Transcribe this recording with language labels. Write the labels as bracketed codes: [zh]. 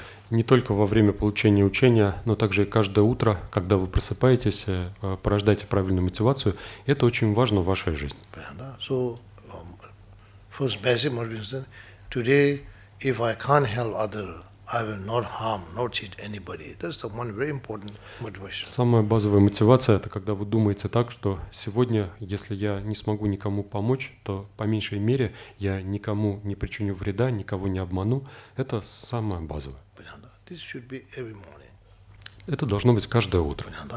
[ru] Не только во время получения учения, но также и каждое утро, когда вы просыпаетесь, порождайте правильную мотивацию. Это очень важно в вашей жизни. [en] So, first basic motivation, today, if I can't help other, I will not harm, not cheat anybody. That's the one very important motivation. [ru] Самая базовая мотивация — это когда вы думаете так, что сегодня, если я не смогу никому помочь, то по меньшей мере я никому не причиню вреда, никого не обману. Это самое базовое. [en] This should be every morning. [ru] Это должно быть каждое утро.